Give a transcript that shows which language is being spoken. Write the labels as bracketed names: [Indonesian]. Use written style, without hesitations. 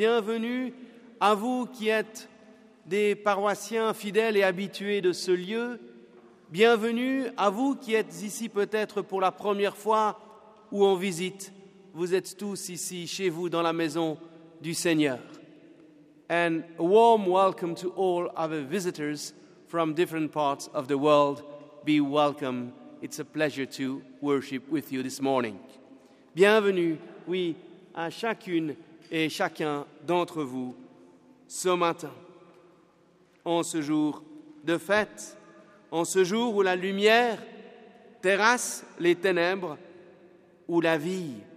[French] Bienvenue à vous qui êtes des paroissiens fidèles et habitués de ce lieu. Bienvenue à vous qui êtes ici peut-être pour la première fois ou en visite. Vous êtes tous ici chez vous dans la maison du Seigneur. [English] And a warm welcome to all our visitors from different parts of the world. Be welcome. It's a pleasure to worship with you this morning. [French] Bienvenue, oui, à chacune et chacun d'entre vous ce matin. En ce jour de fête, en ce jour où la lumière terrasse les ténèbres, où la vie